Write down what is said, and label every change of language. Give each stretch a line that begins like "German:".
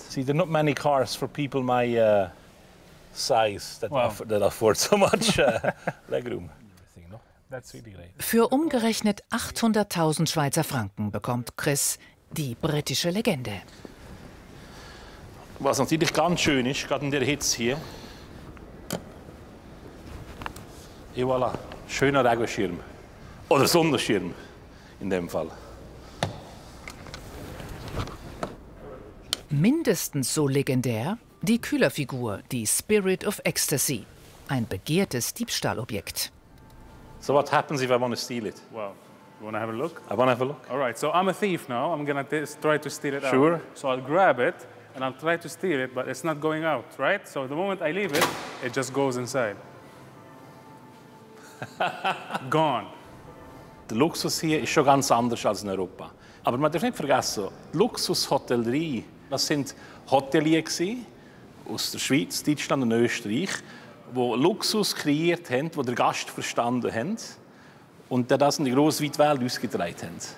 English: See, there are not many cars for people my size that, wow. That afford so much legroom.
German: Für umgerechnet 800.000 Schweizer Franken bekommt Chris die britische Legende. Was natürlich ganz schön ist, gerade in der Hitze hier.
French: Et voilà,
German: schöner Regenschirm. Oder Sonnenschirm in dem Fall. Mindestens so legendär die Kühlerfigur, die Spirit of Ecstasy. Ein begehrtes Diebstahlobjekt.
English: So what happens if I want to steal it? Well, you want to have a look? I want to have a look. All right, so I'm a thief now. I'm going to try to steal it out. Sure. So I'll grab it and I'll try to steal it, but it's not going out, right? So the moment I leave it, it just goes inside. Gone.
German: Der Luxus hier ist schon ganz anders als in Europa. Aber man darf nicht vergessen, Luxushotellerie, das sind Hotelier aus der Schweiz, Deutschland und Österreich, die Luxus kreiert haben, die den Gast verstanden haben und das in die grosse, weite Welt ausgetragen haben.